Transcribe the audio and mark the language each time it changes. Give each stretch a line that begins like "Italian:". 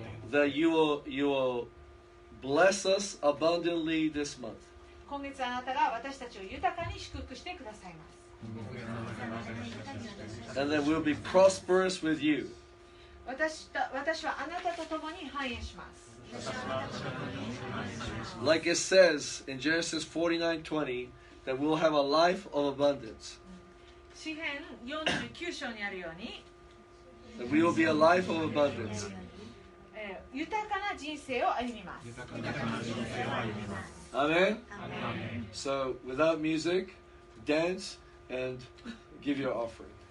English: That you will bless us abundantly this month.
Japanese: 今月あなたが私たちを豊かに祝福してくださいます。
English: And then we'll be prosperous with you.
Japanese: 私はあなたと共に繁栄します。
English: Like it says in Genesis 49:20, that we'll have a life of abundance.
Japanese: 詩篇49章にあるように、
English: that we will be a life of abundance.
Japanese: 豊かな人生を歩みます。
English: Amen. So without music, dance and give your offering.